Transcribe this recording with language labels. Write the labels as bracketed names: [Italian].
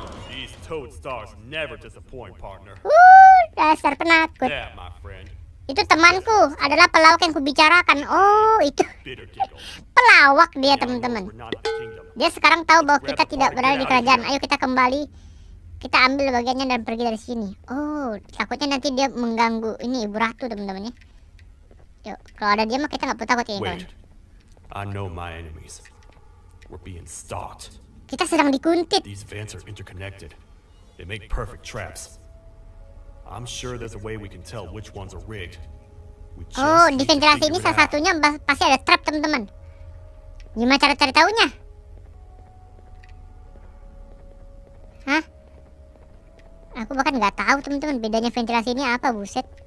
[English] These toad stars never disappoint, partner. [Indonesian] Dasar penakut. Itu temanku, adalah pelawak yang kubicarakan. Oh, itu. Pelawak dia, teman-teman. Dia sekarang tahu bahwa kita tidak berada di kerajaan. Ayo kita kembali. Kita ambil bagiannya dan pergi dari sini. Oh, takutnya nanti dia mengganggu. Ini ibu ratu, teman-teman ya. Yuk, kalau ada dia mah kita nggak perlu takut ya, teman. [English] I know my enemies. We're being stalked. [Indonesian] Kita sedang dikuntit. [English] These vents are interconnected. They make perfect traps. I'm sure there's a way we can tell which ones are rigged. [Indonesian] Oh, di ventilasi ini salah satunya pasti ada trap, teman-teman. Gimana cara cari tahunya? Hah? Aku bahkan nggak tahu, teman-teman, bedanya ventilasi ini apa, buset.